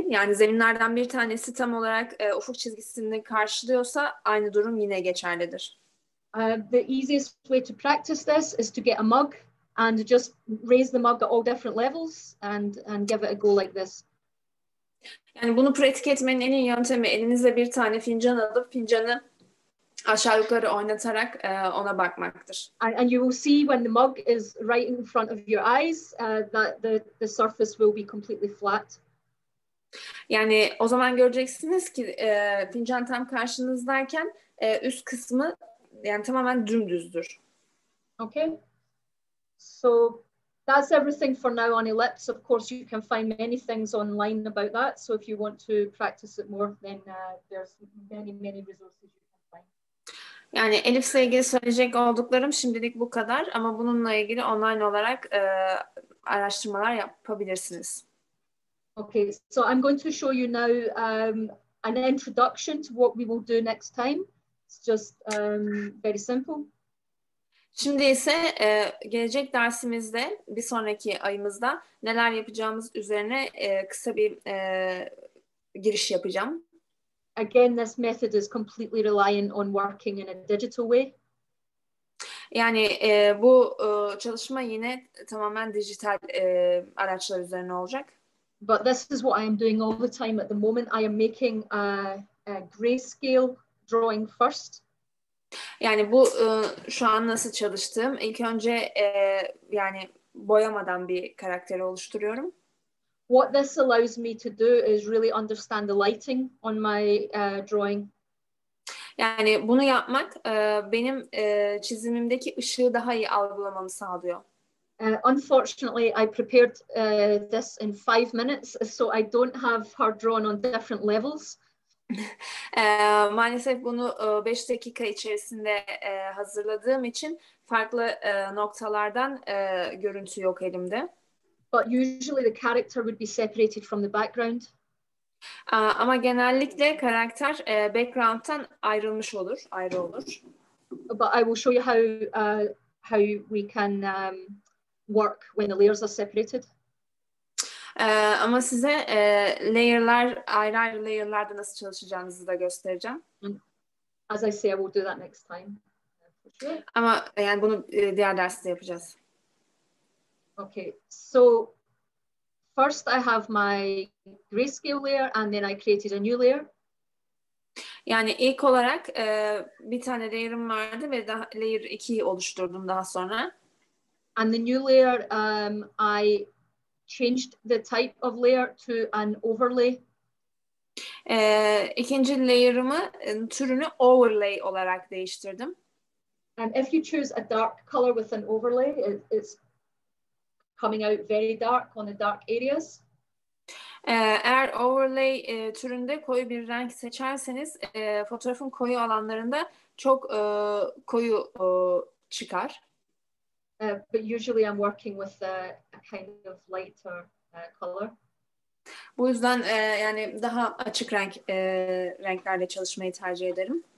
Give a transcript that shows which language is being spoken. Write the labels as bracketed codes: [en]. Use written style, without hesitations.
[tr] Zeminlerden bir tanesi tam olarak ufuk çizgisini karşılıyorsa aynı durum yine geçerlidir. [en] The easiest way to practice this is to get a mug and just raise the mug at all different levels and give it a go like this. [tr] Yani bunu pratik etmenin en iyi yöntemi elinize bir tane fincan alıp fincanı aşağı yukarı oynatarak ona bakmaktır. [en] And you will see when the mug is right in front of your eyes that the surface will be completely flat. [tr] Yani o zaman göreceksiniz ki fincan tam karşınızdayken üst kısmı yani tamamen dümdüzdür. [en] Okay. So that's everything for now on ellipse. Of course, you can find many things online about that. So if you want to practice it more, then there's many, many resources you can find. [tr] Yani ellipse ile ilgili söyleyecek olduklarım şimdilik bu kadar. Ama bununla ilgili online olarak araştırmalar yapabilirsiniz. [en] Okay, so I'm going to show you now an introduction to what we will do next time. It's just very simple. [tr] Şimdi ise gelecek dersimizde, bir sonraki ayımızda neler yapacağımız üzerine kısa bir giriş yapacağım. [en] Again, this method is completely reliant on working in a digital way. [tr] Yani bu çalışma yine tamamen dijital araçlar üzerine olacak. [en] But this is what I am doing all the time at the moment. I am making a grayscale drawing first. [tr] Yani bu şu an nasıl çalıştığım. İlk önce yani boyamadan bir karakteri oluşturuyorum. [en] What this allows me to do is really understand the lighting on my drawing. [tr] Yani bunu yapmak benim çizimimdeki ışığı daha iyi algılamamı sağlıyor. [en] Unfortunately, I prepared this in 5 minutes, so I don't have her drawn on different levels. [tr] Maalesef bunu 5 dakika içerisinde hazırladığım için farklı noktalardan görüntü yok elimde. [en] But usually the character would be separated from the background. [tr] Ama genellikle karakter background'tan ayrılmış olur, ayrı olur. [en] But I will show you how we can work when the layers are separated. [tr] Ama size layerlar, ayrı ayrı layerlarda nasıl çalışacağınızı da göstereceğim. [en] As I say, I will do that next time. [tr] Ama yani bunu diğer derste yapacağız. [en] Okay, so first I have my grayscale layer and then I created a new layer. [tr] Yani ilk olarak bir tane layer'ım vardı ve daha, layer 2'yi oluşturdum daha sonra. [en] And the new layer, I changed the type of layer to an overlay. [tr] İkinci layer'ımı türünü overlay olarak değiştirdim. [en] And if you choose a dark color with an overlay, it's coming out very dark on the dark areas. [tr] Eğer overlay türünde koyu bir renk seçerseniz fotoğrafın koyu alanlarında çok koyu çıkar. [en] But usually I'm working with a kind of lighter color. [tr] Bu yüzden yani daha açık renk renklerle çalışmayı tercih ederim.